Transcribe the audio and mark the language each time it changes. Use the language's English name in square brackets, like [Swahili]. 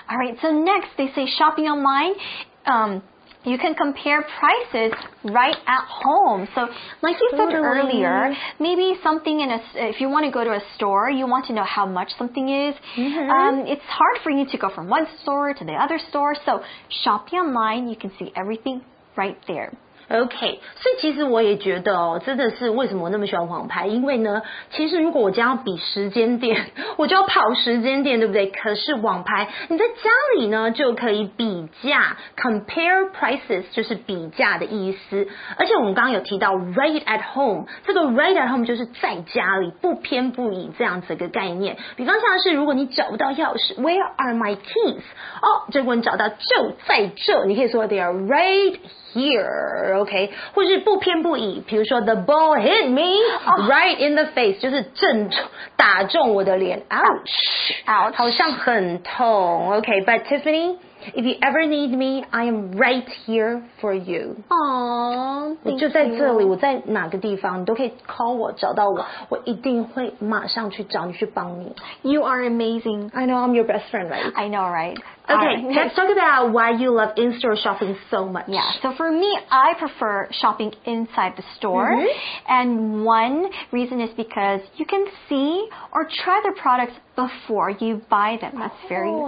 [English] All right. So next, they say shopping online. You can compare prices right at home. So, like you said earlier, maybe something if you want to go to a store, you want to know how much something is. It's hard for you to go from one store to the other store. So, shopping online, you can see everything right there. [Chinese] OK, 所以其实我也觉得哦，真的是为什么我那么喜欢网拍，因为呢，其实如果我将要比时间点，我就要跑时间点，对不对？可是网拍你在家里呢就可以比价 [English] compare prices [Chinese] 就是比价的意思，而且我们刚刚有提到 [English] right at home， [Chinese] 这个 right at home 就是在家里不偏不倚这样子一个概念，比方像是如果你找不到钥匙 [English] where are my keys， [Chinese] 哦，结果你找到就在这，你可以说 [English] they are right here。 [Chinese] OK， 或是不偏不倚，比如说 [English] The ball hit me right in the face， [Chinese] 就是正打中我的脸 ， [English] Ouch， [Chinese] 好像很痛。 [English] OK， but Tiffany， If you ever need me, I am right here for you. Aww, thank you. [Chinese] 我就在这里，我在哪个地方，你都可以 call 我，找到我，我一定会马上去找你，去帮你。 [English] You are amazing. I know, I'm your best friend, right? I know, right? Okay, right. Let's talk about why you love in-store shopping so much. Yeah, so for me, I prefer shopping inside the store. Mm-hmm. And one reason is because you can see or try the products before you buy them. That's very